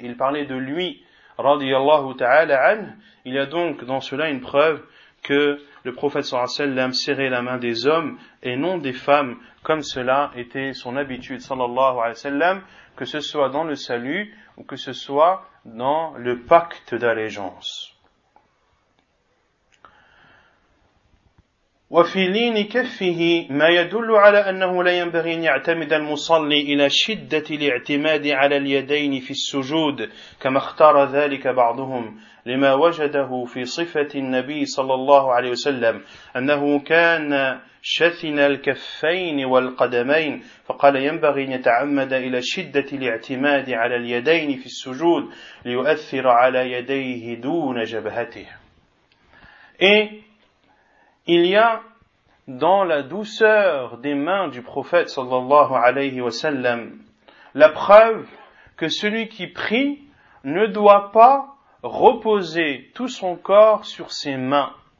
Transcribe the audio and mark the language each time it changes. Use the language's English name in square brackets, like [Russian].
[French] Il parlait de lui radiallahu ta'ala anhu. Il y a donc dans cela une preuve que le prophète sallallahu alayhi wa sallam serrait la main des hommes et non des femmes, comme cela était son habitude sallallahu alayhi wa sallam, que ce soit dans le salut ou que ce soit dans le pacte d'allégeance. [Arabic] وفي لين كفه ما يدل على انه لا ينبغي ان يعتمد المصلي الى شده الاعتماد على اليدين في السجود كما اختار ذلك بعضهم لما وجده في صفه النبي صلى الله عليه وسلم انه كان شثن الكفين والقدمين فقال ينبغي ان يتعمد الى شده الاعتماد على اليدين في السجود ليؤثر على يديه دون جبهته. [French] Il y a dans la douceur des mains du prophète sallallahu alayhi wa sallam la preuve que celui qui prie ne doit pas reposer tout son corps sur ses mains.